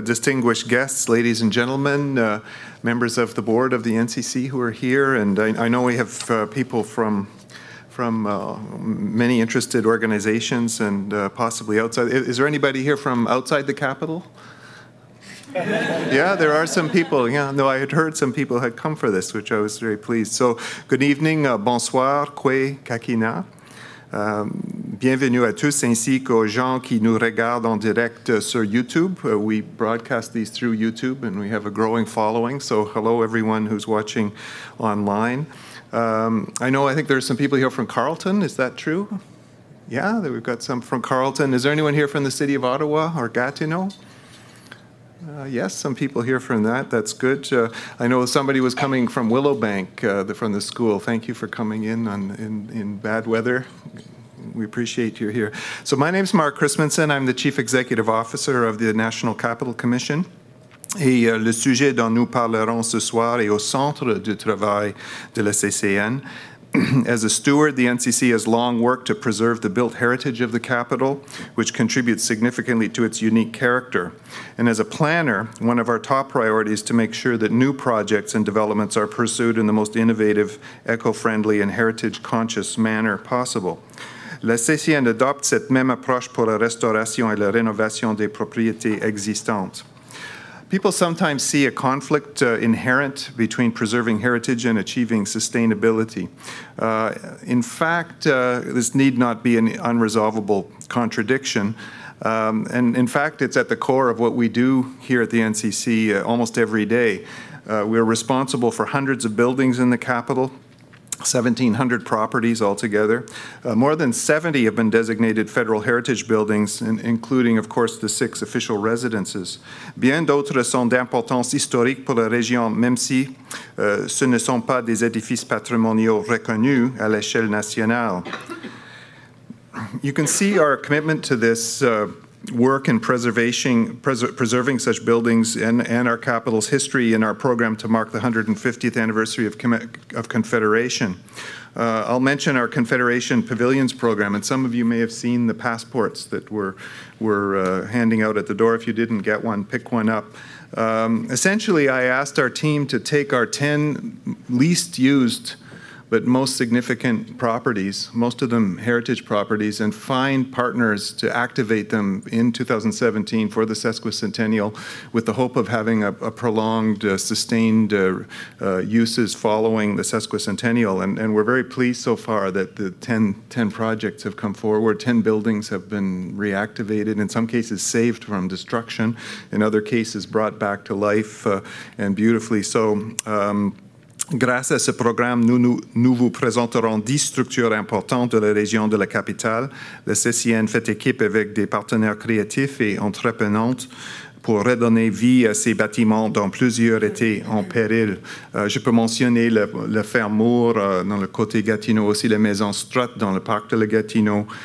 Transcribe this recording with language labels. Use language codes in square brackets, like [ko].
[en] Distinguished guests, ladies and gentlemen, members of the board of the NCC who are here, and I know we have people from many interested organizations and possibly outside. Is there anybody here from outside the capital? Yeah, there are some people. Yeah, no, I had heard some people had come for this, which I was very pleased. So, good evening. Bonsoir. Kwe kakina. [fr] Bienvenue à tous ainsi qu'aux gens qui nous regardent en direct sur YouTube. [en] We broadcast these through YouTube and we have a growing following. So hello everyone who's watching online. I know, I think there's some people here from Carleton. Is that true? Yeah, that we've got some from Carleton. Is there anyone here from the city of Ottawa or Gatineau? Yes, some people here from that. That's good. I know somebody was coming from Willowbank, from the school. Thank you for coming in bad weather. We appreciate you here. So my name is Mark Christmanson. I'm the Chief Executive Officer of the National Capital Commission. [fr] Et le sujet dont nous parlerons ce soir est au centre du travail de la CCN. [en] As a steward, the NCC has long worked to preserve the built heritage of the capital, which contributes significantly to its unique character. And as a planner, one of our top priorities is to make sure that new projects and developments are pursued in the most innovative, eco-friendly, and heritage-conscious manner possible. [fr] La CCN adopte cette même approche pour la restauration et la rénovation des propriétés existantes. [en] People sometimes see a conflict inherent between preserving heritage and achieving sustainability. In fact, this need not be an unresolvable contradiction. And in fact, it's at the core of what we do here at the NCC almost every day. We're responsible for hundreds of buildings in the capital, 1,700 properties altogether. More than 70 have been designated federal heritage buildings, including, of course, the 6 official residences. [fr] Bien d'autres sont d'importance historique pour la région, même si ce ne sont pas des édifices patrimoniaux reconnus à l'échelle nationale. [en] You can see our commitment to this work in preserving such buildings and our capital's history in our program to mark the 150th anniversary of Confederation. I'll mention our Confederation Pavilions program, and some of you may have seen the passports that were handing out at the door. If you didn't get one, pick one up. Essentially, I asked our team to take our 10 least used but most significant properties, most of them heritage properties, and find partners to activate them in 2017 for the sesquicentennial with the hope of having a prolonged, sustained uses following the sesquicentennial. And we're very pleased so far that the 10 projects have come forward. 10 buildings have been reactivated, in some cases saved from destruction, in other cases brought back to life and beautifully so. [fr] Grâce à ce programme, nous vous présenterons 10 structures importantes de la région de la capitale. La CCN fait équipe avec des partenaires créatifs et entreprenants pour redonner vie à ces bâtiments dont plusieurs étaient en péril. Je peux mentionner le Fermour dans le côté Gatineau, aussi la maison Strutt dans le parc de la Gatineau.